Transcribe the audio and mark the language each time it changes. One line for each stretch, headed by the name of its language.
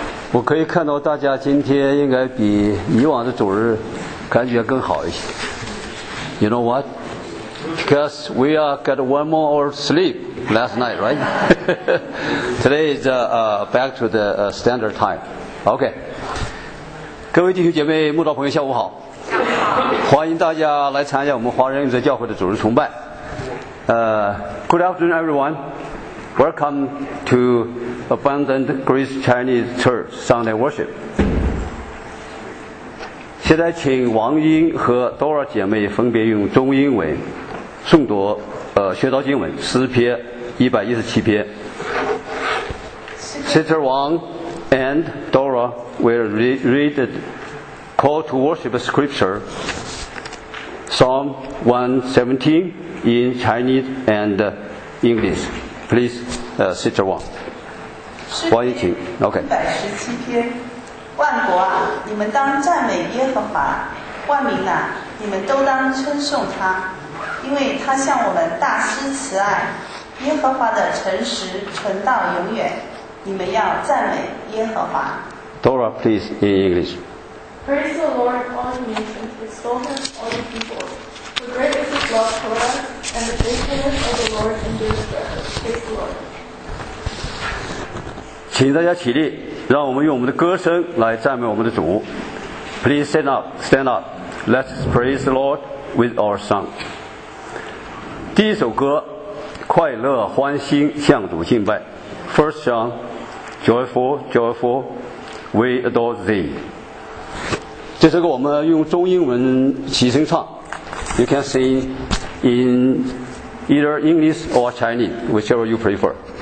Chinese: 我可以看到大家今天应该比以往的主日感觉更好一些。
English: You know what? Because we got one more hour sleep last night, right? Today is back to the standard time. Okay.
Chinese: 各位弟兄姐妹、慕道朋友，下午好！欢迎大家来参加我们华人永泽教会的主日崇拜。
English: Good afternoon, everyone. Welcome to Abundant Grace Chinese Church Sunday Worship.
Chinese: 现在请王英和 Dora 姐妹分别用中英文诵读学道经文诗篇117篇。
English: Sister Wang and Dora will read the call to worship scripture Psalm 117 in Chinese and English. Please. Sister Wang， 王一婷 ，OK。
Chinese: 117篇，万国啊，你们当赞美耶和华；万民啊，你们都当称颂他，因为他向我们大施慈爱。耶和华的诚实存到永远，你们要赞美耶和华。
English: Dora, please in English. Praise the Lord, all nations, extol Him, all the peoples. For great is His love for us, and the faithfulness of the Lord endures forever. Praise the Lord.
Chinese: 请大家起立，让我们用我们的歌声来赞美我们的主。
English: Please stand up, stand up. Let's praise the Lord with our song.
Chinese: 第一首歌，快乐欢欣向主敬拜。
English: First song, joyful, joyful, we adore thee.
Chinese: 这首歌我们用中英文齐声唱。
English: You can sing in either English or Chinese, whichever you prefer.